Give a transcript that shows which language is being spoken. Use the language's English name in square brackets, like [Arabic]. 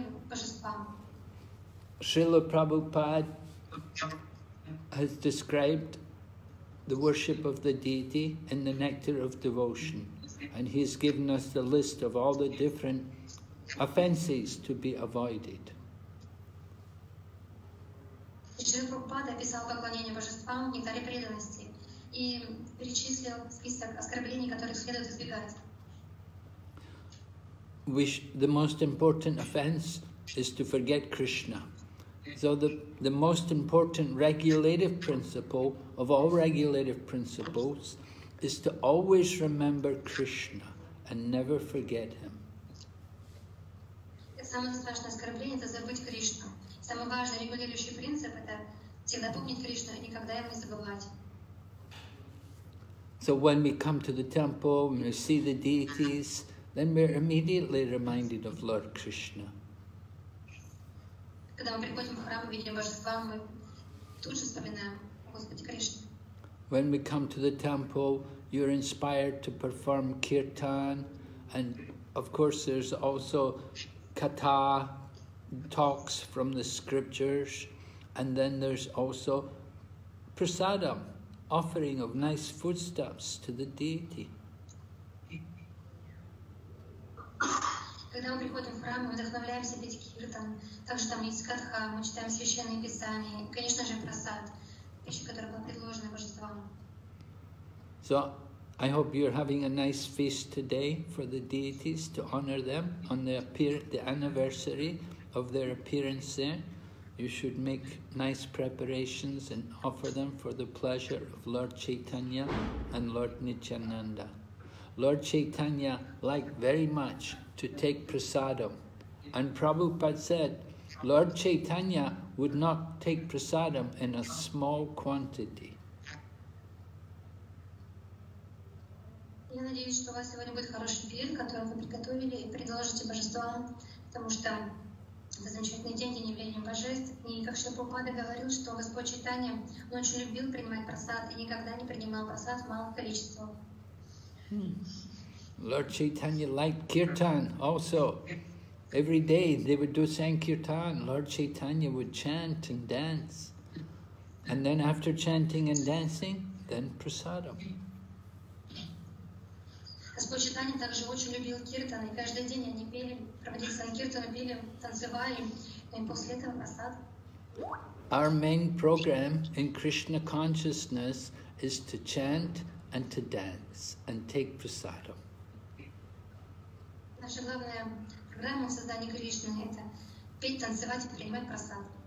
[English] Srila Prabhupada has described the worship of the deity in the nectar of devotion, and he's given us the list of all the different offenses to be avoided. [Russian] Шри Прабхупада описал поклонение божествам в нектаре преданности и перечислил список оскорблений, которые следует избегать. [English] The most important offense is to forget Krishna. So the most important regulative principle of all regulative principles is to always remember Krishna and never forget him. [Russian] Самое страшное оскорбление – это забыть Кришну. Самый важный регулирующий принцип – это всегда помнить Кришну и никогда его не забывать. [English] So when we come to the temple and we see the deities, then we're immediately reminded of Lord Krishna. [Russian] Когда мы приходим в храм и видим божества, мы тут же вспоминаем Господи Кришну. [English] When we come to the temple, you're inspired to perform kirtan, and of course there's also katha, talks from the scriptures, and then there's also prasadam, offering of nice foodstuffs to the deity. [Russian] Когда мы приходим в храм, мы вдохновляемся петь киртан. Также там есть катха, мы читаем священные писания, и, конечно же, прасад, пища, которая была предложена божествам. [English] So, I hope you're having a nice feast today for the deities to honor them on the anniversary of their appearance there. You should make nice preparations and offer them for the pleasure of Lord Chaitanya and Lord Nityananda. Lord Chaitanya liked very much to take prasadam. And Prabhupada said, Lord Chaitanya would not take prasadam in a small quantity. [Russian] Я надеюсь, что у вас сегодня будет хороший пир, который вы приготовили и предложите божествам, потому что это замечательный день, день явления божеств. И как Шри Прабхупада говорил, что Господь Чайтанья, он очень любил принимать просад и никогда не принимал просад в малых количествах. [English] Lord Chaitanya liked kirtan also. Every day they would do sankirtan. Lord Chaitanya would chant and dance. And then after chanting and dancing, then prasadam. [Russian] Господь Чайтанья также очень любил киртан, и каждый день они пели, проводили санкиртан, пели, танцевали, и после этого просад. [English] Our main program in Krishna consciousness is to chant and to dance and take prasadam. [Russian] Наша главная программа в создании Кришны – это петь, танцевать и принимать просад.